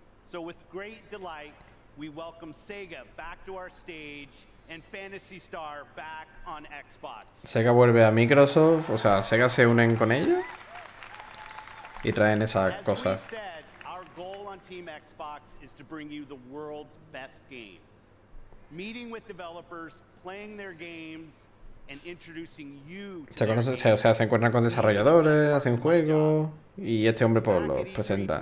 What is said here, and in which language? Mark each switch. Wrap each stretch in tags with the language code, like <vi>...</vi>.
<en>So with great delight, we welcome Sega back to our stage and Phantasy Star back on Xbox.</en> <es>Sega vuelve a Microsoft, o sea, Sega se unen con ellos y traen esa cosa.</es> <en>As we said, our goal on Team Xbox is to bring you the world's best games. Meeting with developers, playing their games and introducing you to their games.</en> <es>Se conoce, o sea, se encuentran con desarrolladores, hacen juegos y este hombre pues los presenta.</es>